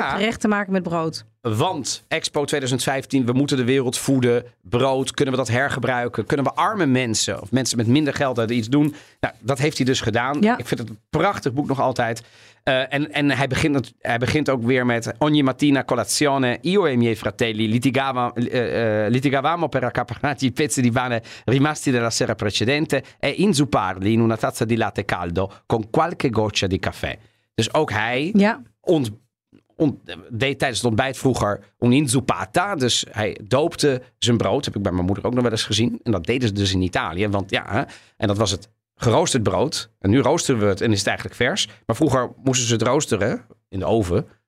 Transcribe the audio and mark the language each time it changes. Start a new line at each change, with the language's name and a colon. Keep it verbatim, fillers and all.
Dutch: Gaat terecht te maken met brood. Want Expo tweeduizend vijftien, we moeten de wereld voeden. Brood, kunnen we dat hergebruiken? Kunnen we arme mensen of mensen met minder geld uit iets doen? Nou, dat heeft hij dus gedaan. Ja. Ik vind het een prachtig boek nog altijd. Uh, en en hij, begint, hij begint ook weer met...
Italian: Ogni mattina colazione, io e miei fratelli litigavamo, uh, litigavamo per accaparrarci i pezzi di pane rimasti della sera precedente e inzupparli in una tazza di latte caldo con qualche goccia di caffè.
Dutch: Dus ook hij ja. ont On, deed tijdens het ontbijt vroeger
Italian: un'inzuppata.
Dutch: Dus hij doopte zijn brood. Heb ik bij mijn moeder ook nog wel eens gezien. En dat deden ze dus in Italië. Want ja, en dat was het geroosterd brood. En nu roosteren we het en is het eigenlijk vers. Maar vroeger moesten ze het roosteren in de oven.